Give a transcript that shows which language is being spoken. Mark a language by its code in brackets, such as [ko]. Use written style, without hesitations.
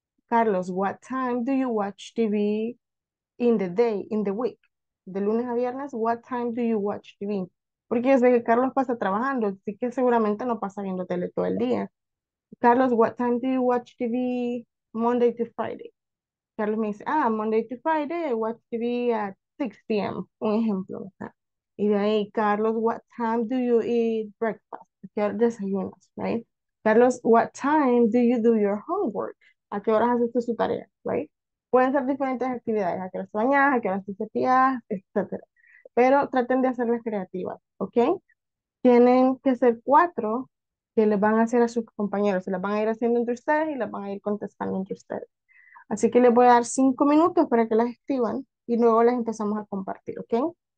[en] Carlos, what time do you watch TV in the day, in the week? [es] De lunes a viernes, [en] what time do you watch TV? [es] Porque yo sé que Carlos pasa trabajando, así que seguramente no pasa viendo tele todo el día. [en] Carlos, what time do you watch TV Monday to Friday? Carlos [es] me dice, [en] ah, Monday to Friday, I watch TV at 6 p.m., [es] un ejemplo. Y de ahí, [en] Carlos, what time do you eat breakfast? [es] ¿Qué desayunas, right? [en] Carlos, what time do you do your homework? [es] ¿A qué horas haces tú su tarea, right? Pueden ser diferentes actividades, a qué horas bañas, a qué horas te cepillas, etcétera. Pero traten de hacerlas creativas, ¿ok? Tienen que ser cuatro que les van a hacer a sus compañeros. Se las van a ir haciendo entre ustedes y las van a ir contestando entre ustedes. Así que les voy a dar 5 minutos para que las escriban y luego las empezamos a compartir, ¿ok?